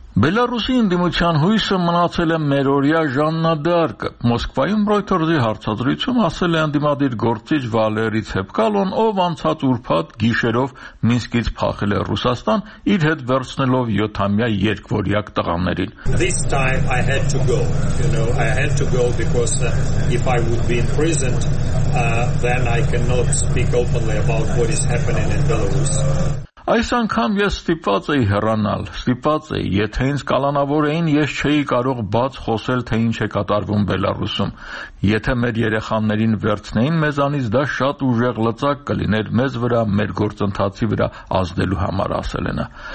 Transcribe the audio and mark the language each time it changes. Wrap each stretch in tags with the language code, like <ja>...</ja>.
<hy>Բելարուսի ընդդիմության հույսը մնացել է մերօրյա ժաննադարկը։ Մոսկվայում Ռոյթերսի հարցադրությամբ ասել է ընդդիմադիր գործիչ Վալերի Ցեփկալոն, ով անցած ուրբաթ գիշերով Մինսկից փախել է Ռուսաստան, իր հետ վերցնելով 7-ամյա երկվորյակ տղաներին։</hy> <en>This time I had to go. You know, I had to go because if I would be imprisoned, then I cannot speak openly about what is happening in Belarus.</en> <hy>Այս անգամ ես ստիպված էի հեռանալ, ստիպված էի, եթե ինձ կալանավոր էին, ես չէի կարող բաց խոսել, թե ինչ է կատարվում Բելարուսում։ Եթե մեր երեխաներին վերցնեին մեզանից, դա շատ ուժեղ լծակ կլիներ մեզ վրա, մեր գործընթացի վրա ազդելու համար, ասել ենա։</hy>